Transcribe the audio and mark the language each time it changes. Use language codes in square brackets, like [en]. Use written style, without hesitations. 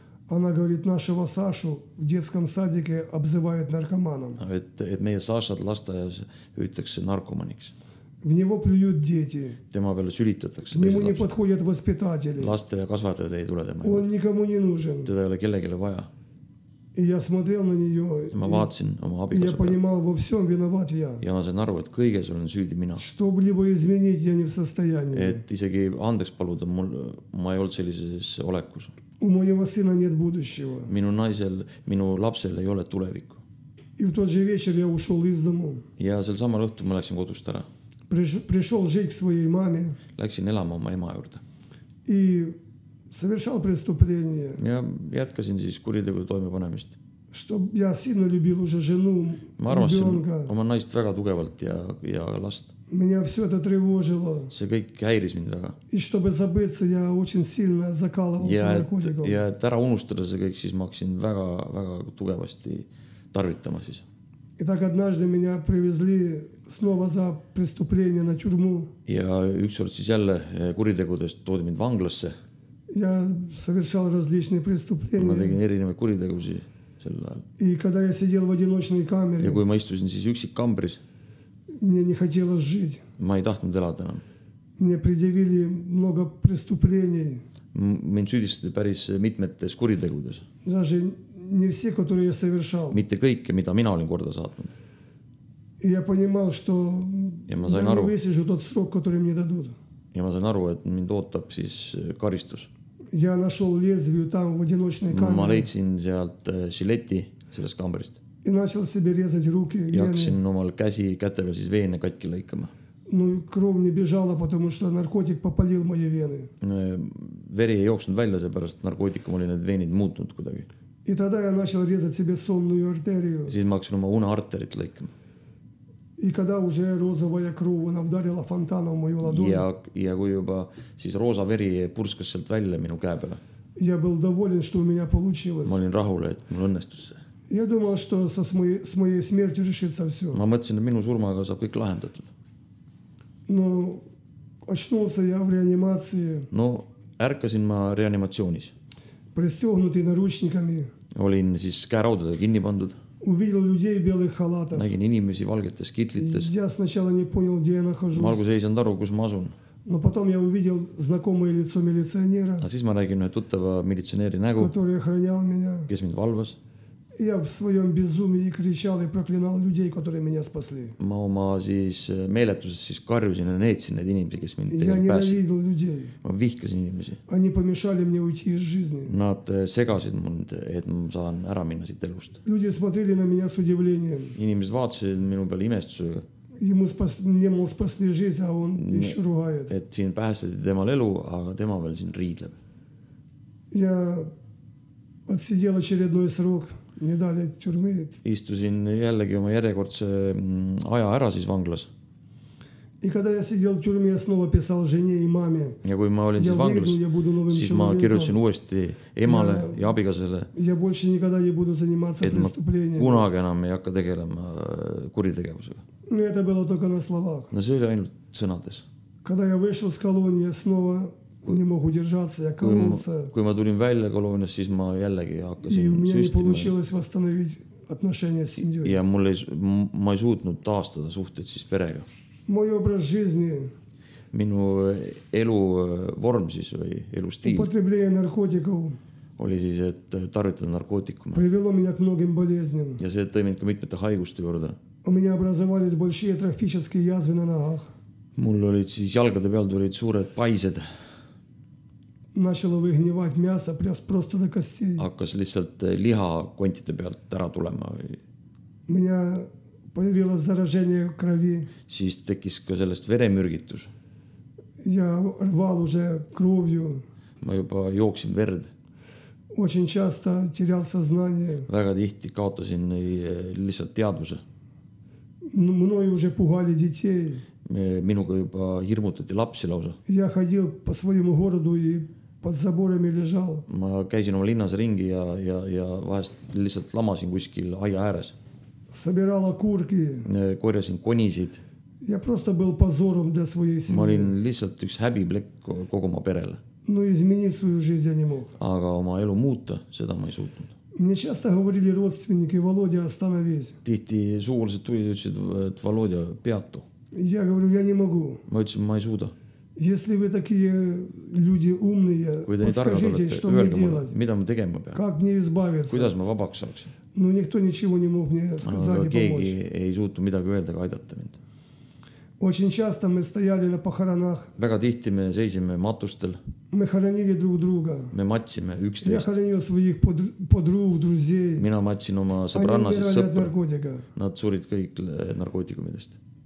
[ru] Она говорит, нашего Сашу в детском садике обзывают наркоманом. [et] Et meie Sašat lasteaias hüütakse narkomaniks. [ru] В него плюют дети. [et] Tema peale sülitatakse. [ru] Нему не подходят воспитатели. [et] Laste ja kasvatajad ei tule tema. [ru] Он никому не нужен. [et] Teda ei ole kellegile vaja. [ru] И я смотрел на нее. [et] Ma vaatsin oma abikaasa peale. [ru] Я понимал, во всем виноват я. [et] Ja ma sain aru, et kõiges olen süüdi mina. [ru] Чтоб либо изменить, я не в состоянии. [et] Et isegi andeks paluda, ma ei olnud sellises olekus. [ru] У моего сына нет будущего. [et] Minu naisel, minu lapsel ei ole tulevikku. [ru] И в тот же вечер я ушел из дому. [et] Ja sel samal õhtul ma läksin kodust ära. [ru] Пришел жить к своей маме. [et] Läksin elama oma ema juurde. [ru] И совершал преступление. [et] Ja jätkasin siis kuritegu toimepanemist. [ru] Чтоб я сильно любил уже жену, ребенка. [et] Ma arvasin oma naist väga tugevalt ja last. [ru] Меня все это тревожило. [et] See kõik häiris mind väga. [ru] И чтобы забыться, я очень сильно закалывался наркотиком. [et] Ja et ära unustada see kõik, siis ma hakkasin väga tugevasti tarvitama siis. [ru] И так однажды меня привезли снова за преступление на тюрьму. [et] Ja ükskord siis jälle kuritegudest toodi mind vanglasse. [ru] Я совершал различные преступления. [et] Ma tegin erinevaid kuritegusi sellel ajal. [ru] И когда я сидел в одиночной камере. [et] Ja kui ma istusin siis üksik kambris. [ru] Мне не хотелось жить. [et] Ma ei tahtnud elada enam. [ru] Мне предъявили много преступлений. [et] mind süüdistati päris mitmetes kuritegudes. [ru] Даже не все, которые я совершал. [et] Mitte kõike, mida mina olin korda saatnud. [ru] Я понимал, что я высижу тот срок, который мне дадут. [et] Ja ma sain aru, et mind ootab siis karistus. [ru] Я нашел лезвие там в одиночной камере. [et] Ma leidsin sealt жилетти sellest kambrist. [ru] И начал себе резать руки. [et] Ja hakkasin omal käsi kätega siis veene katki lõikama. [ru] Ну, кровь не бежала, потому что наркотик попалил мои вены. [et] Veri ei jooksnud välja, sellepärast narkootikum oli need veenid muutnud kuidagi. [ru] И тогда я начал резать себе сонную артерию. [et] Siis ma hakkasin oma unearterit lõikama. [ru] И когда уже розовая кровь, она вдарила фонтаном в мою ладонь. [et] Ja kui juba siis roosa veri purskas sealt välja minu käe peale. [ru] Я был доволен, что у меня получилось. [et] Ma olin rahul, et mul õnnestus see. [ru] Я думал, что с моей смертью решится все. [et] Ma mõtlesin, et minu surmaga saab kõik lahendatud. [ru] Но очнулся я в реанимации. [et] Но ärkasin ma reanimatsioonis. [ru] Пристегнутый наручниками. [et] Olin siis käeraudadega kinni pandud. [ru] Увидел людей белых халатах. [et] Nägin inimesi valgetes kitlites. [ru] Я сначала не понял, где я нахожусь. [et] Ma alguses ei saanud aru, kus ma asun. [ru] Но потом я увидел знакомое лицо милиционера. [et] А siis ma nägin ühe tuttava militsionääri nägu. [ru] Который охранял меня. [et] Kes mind valvas. [ru] Я в своем безумии кричал и проклинал людей, которые меня спасли. [et] Ma oma siis meeletuses siis karjusin ja neetsin need inimesi, kes mind tegelikult pääsid. [ru] Я ненавидел людей. [et] Ma vihkasin inimesi. [ru] Они помешали мне уйти из жизни. [et] Nad segasid mund, et ma saan ära minna siit elust. [ru] Люди смотрели на меня с удивлением. [et] Inimesed vaatasid minu peale imestusega. [ru] Ему спасли жизнь, а он еще ругает. [et] Et siin päästeti temal elu, aga tema veel siin riidleb. [ru] Я отсидел очередной срок. Не дали тюрьмы. [et] Istusin jällegi oma järjekordse aja ära siis vanglas. [ru] И когда я сидел в тюрьме, я снова писал жене и маме. [et] Ja kui ma olin siis vanglas, siis ma kirjutasin uuesti emale ja abikasele. [ru] Я больше никогда не буду заниматься преступлением. [et] Kunagi enam ei hakka tegelema kuritegevusega. [ru] Но это было только на словах. [et] No see oli ainult sõnades. [ru] Когда я вышел с колонии, я снова не могу держаться, я кололся. [et] Kui ma tulin välja koloniast, siis ma jällegi hakkasin süstima. [ru] И у меня не получилось восстановить отношения с семьей. [et] Ja ma ei suutnud taastada suhted siis perega. [ru] Мой образ жизни. [et] Minu eluvorm siis või elustiil. [ru] Употребление наркотиков. [et] Oli siis, et tarvitada narkootikume. [ru] Привело меня к многим болезням. [et] Ja see tõi mind ka mitmete haiguste juurde. [ru] У меня образовались большие трофические язвы на ногах. [et] Mul olid siis jalgade peal tulid suured paised. [ru] Начало выгнивать мясо просто до костей. [et] Hakkas lihtsalt liha kontide pealt ära tulema. [ru] У меня появилось заражение крови. [et] Siis tekis ka sellest veremürgitus. [ru] Я рвал уже кровью. [et] Ma juba jooksin verd. [ru] Очень часто терял сознание. [et] Väga tihti kaotasin lihtsalt teadvuse. [ru] Мною уже пугали детей. [et] Minuga juba hirmutati lapsi lausa. [ru] Я ходил по своему городу и под заборами лежал. [et] Ma käisin oma linnas ringi ja vahest lihtsalt lamasin kuskil aia ääres. [ru] Собирал окурки. [et] Korjasin konisid. [ru] Я просто был позором для своей семьи. [et] Ma olin lihtsalt üks häbiplekk kogu oma perele. [ru] Но изменить свою жизнь я не мог. [et] Aga oma elu muuta, seda ma ei suutnud. [ru] Мне часто говорили родственники, Володя, остановись. [et] Tihti suurused tulid, ütlesid, et Володя, peatu. [ru] Я говорю, я не могу. [et] Ma ütlesin, ma ei suuda. [ru] Если вы такие люди умные, подскажите, что мне делать? [et] Mida ma tegema pean? [ru] Как мне избавиться? [et] Kuidas ma vabaks saaks? [ru] Ну никто ничего не мог мне сказать и помочь. [et] Keegi ei suutu midagi öelda, aidata mind. [ru] Очень часто мы стояли на похоронах. [et] Väga tihti me seisime matustel. [ru] Мы хоронили друг друга. [et] Me matsime üksteist. [ru] Я хоронил своих подруг, друзей. [et] Mina matsin oma sõbrannasid sõpr. Nad surid kõik narkootikumidest.